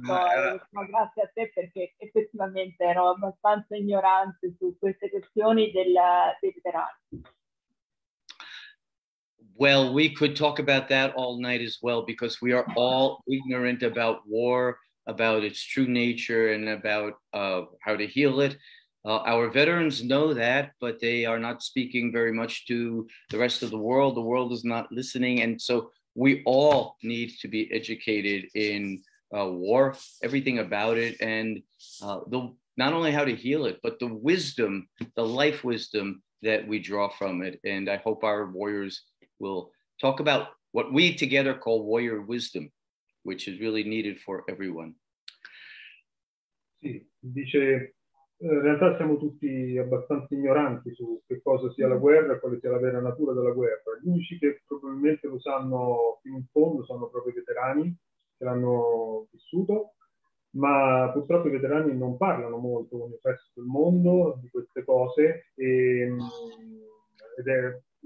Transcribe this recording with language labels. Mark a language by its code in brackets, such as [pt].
[it] Grazie a te perché effettivamente ero abbastanza ignorante su queste questioni dei veterani. [en] Well, we could talk about that all night as well, because we are all ignorant about war, about its true nature, and about how to heal it. Our veterans know that, but they are not speaking very much to the rest of the world. The world is not listening. And so we all need to be educated in war, everything about it, and not only how to heal it, but the wisdom, the life wisdom that we draw from it. And I hope our warriors we'll talk about what we together call warrior wisdom, which is really needed for everyone. [it] Sì, dice, in realtà siamo tutti abbastanza ignoranti su che cosa sia la guerra e quale sia la vera natura della guerra. Gli unici che probabilmente lo sanno fino in fondo sono proprio i veterani che l'hanno vissuto, ma purtroppo i veterani non parlano molto con il resto del mondo di queste cose ed è